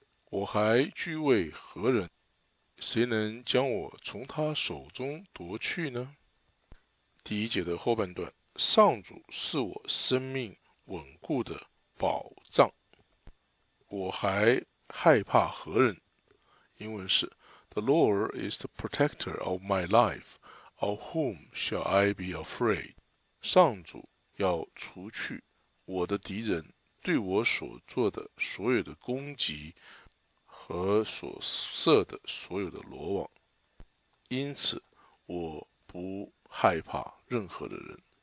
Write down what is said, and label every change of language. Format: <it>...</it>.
<zh>我还惧畏何人？谁能将我从他手中夺去呢？第一节的后半段，上主是我生命稳固的保障，我还害怕何人？英文是</zh> <en>The Lord is the protector of my life, of whom shall I be afraid?</en> <zh>上主要除去我的敌人对我所做的所有的攻击和所设的所有的罗网，因此我不害怕任何的人。</zh>